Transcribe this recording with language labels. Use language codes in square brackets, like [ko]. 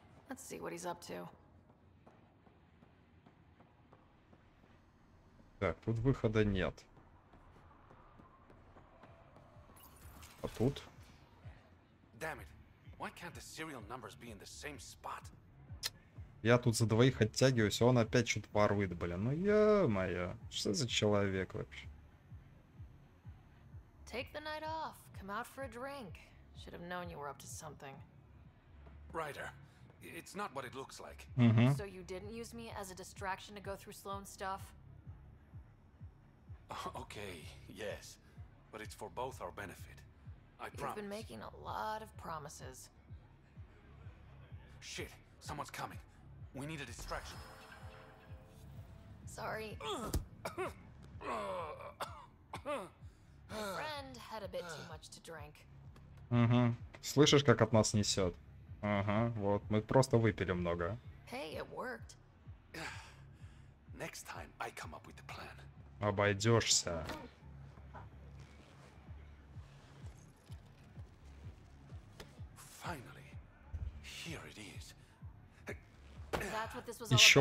[en] Let's see what he's up to. [ru] Так, тут выхода нет. А тут? [en] Damn it! Why can't the serial numbers be in the same spot? [ru] Я тут за двоих оттягиваюсь, а он опять что-то ворует, блин. Ну ё-моё, что за человек вообще? [en] Take the night off. Come out for a drink. Should have known you were up to something. Ryder, it's not what it looks like. Mm-hmm. So you didn't use me as a distraction to go through Sloane's stuff? Okay, yes. But it's for both our benefit. I You've promise. You've been making a lot of promises. Shit, someone's coming. We need a distraction. Sorry. Friend had a bit too much to drink. Угу. [ru] Слышишь, как от нас несет? Ага, вот, мы просто выпили много. [en] Hey, it worked. Next time I come up with the plan. [ru] Обойдешься. [en] Finally, here it is. That's what this was [ru] Еще